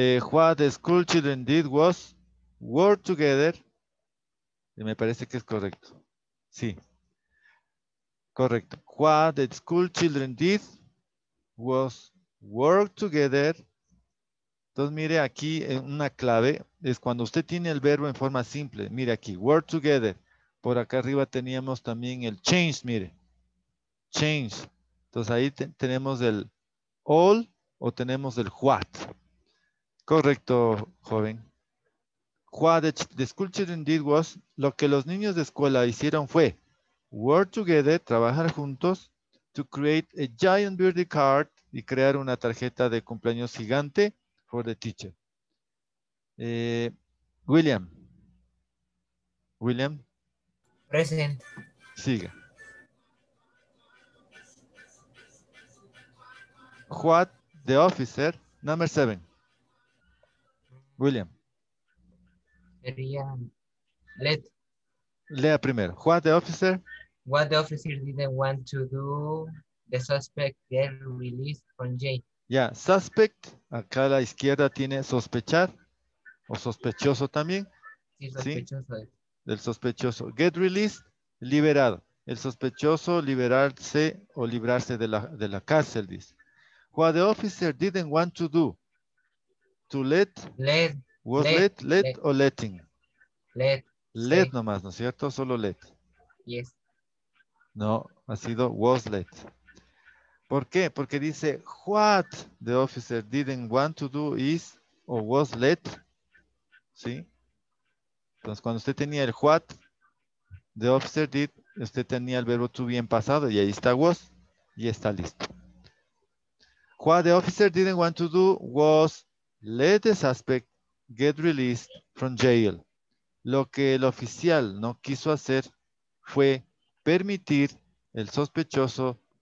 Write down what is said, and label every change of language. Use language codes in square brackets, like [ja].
[en] What the school children did was work together. [es] Me parece que es correcto. Sí. Correcto. [en] What the school children did was work together. [es] Entonces, mire aquí una clave. Es cuando usted tiene el verbo en forma simple. Mire aquí, [en] work together. [es] Por acá arriba teníamos también el change, mire. Change. Entonces ahí tenemos el all o tenemos el what. Correcto, joven. [en] What the school children did was, [es] lo que los niños de escuela hicieron fue [en] work together, [es] trabajar juntos, [en] to create a giant birthday card [es] y crear una tarjeta de cumpleaños gigante [en] for the teacher. [es] William. William. [en] Present. [es] Siga. [en] What the officer, number seven, William. [es] Sería, let. Lea primero. [en] What the officer. What the officer didn't want to do, the suspect get released from jail. Yeah, suspect, [es] acá a la izquierda tiene sospechar, o sospechoso también. Sí, sospechoso. Del sospechoso. [en] Get released, [es] liberado. El sospechoso liberarse o librarse de la cárcel, dice. [en] What the officer didn't want to do. To let. Let. Was let. Let o letting. Let. [es] Let nomás, ¿no es cierto? Solo let. [en] Yes. [es] No, ha sido [en] was let. [es] ¿Por qué? Porque dice [en] what the officer didn't want to do is or was let. [es] ¿Sí? Entonces, cuando usted tenía el [en] what the officer did, [es] usted tenía el verbo to be en pasado y ahí está was y está listo. [en] What the officer didn't want to do was let the suspect get released from jail. [es] Lo que el oficial no quiso hacer fue permitir el sospechoso